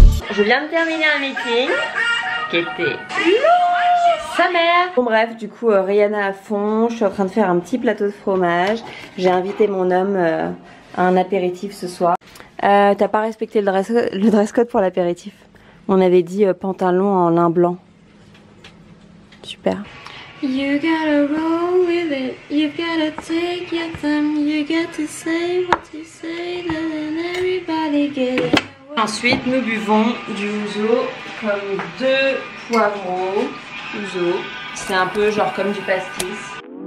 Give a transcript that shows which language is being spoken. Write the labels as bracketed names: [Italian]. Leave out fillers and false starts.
[French] Je viens de terminer un meeting qui était sa mère. Bon bref, du coup Rihanna à fond, je suis en train de faire un petit plateau de fromage. J'ai invité mon homme à un apéritif ce soir. T'as pas respecté le dress code pour l'apéritif. On avait dit pantalon en lin blanc. Super. [English] You gotta roll with it, you gotta take your time, you gotta say what you say, then everybody get it. [French] Ensuite, nous buvons du ouzo comme deux poivrons ouzo. C'est un peu genre comme du pastis.